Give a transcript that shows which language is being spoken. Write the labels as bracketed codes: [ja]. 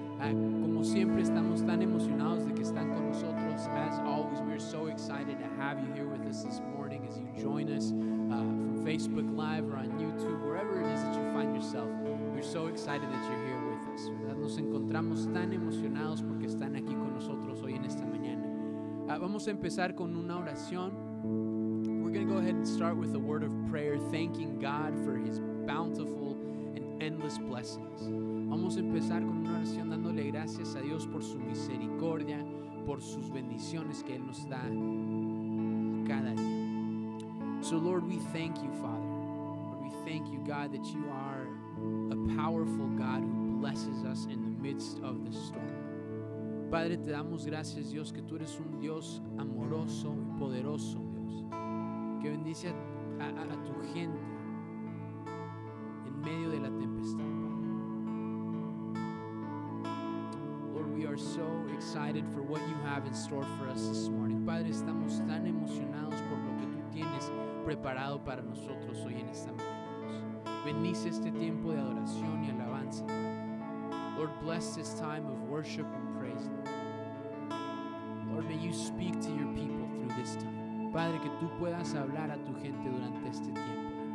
[es] Como siempre estamos tan emocionados de que están con nosotros. [en] As always, we are so excited to have you here with us this morning as you join us from Facebook Live or on YouTube, wherever it is that you find yourself. We're so excited that you're here with us. [es] ¿Verdad? Nos encontramos tan emocionados porque están aquí con nosotros hoy en esta mañana. Vamos a empezar con una oración. [en] We're going to go ahead and start with a word of prayer, thanking God for His bountiful endless blessings. [es] Vamos a empezar con una oración dándole gracias a Dios por su misericordia, por sus bendiciones que Él nos da cada día. [en] So Lord, we thank you, Father. Lord, we thank you, God, that you are a powerful God who blesses us in the midst of the storm. [es] Padre, te damos gracias, Dios, que tú eres un Dios amoroso y poderoso, Dios, que bendice a tu gente medio de la tempestad. [en] Lord, we are so excited for what you have in store for us this morning. [es] Padre, estamos tan emocionados por lo que tú tienes preparado para nosotros hoy en esta mañana. Bendice este tiempo de adoración y alabanza. [en] Lord, bless this time of worship and praise. Lord, may you speak to your people through this time. [es] Padre, que tú puedas hablar a tu gente durante este tiempo.